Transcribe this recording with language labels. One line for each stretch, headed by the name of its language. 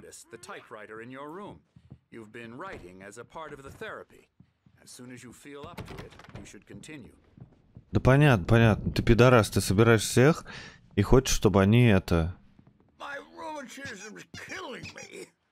English: The typewriter in your room. You've been writing as a part of the therapy. As soon as you feel up to it, you should continue.
Russian: Да понятно, понятно. Ты пидорас, ты собираешь всех и хочешь, чтобы они это.
English: My rheumatism is killing me.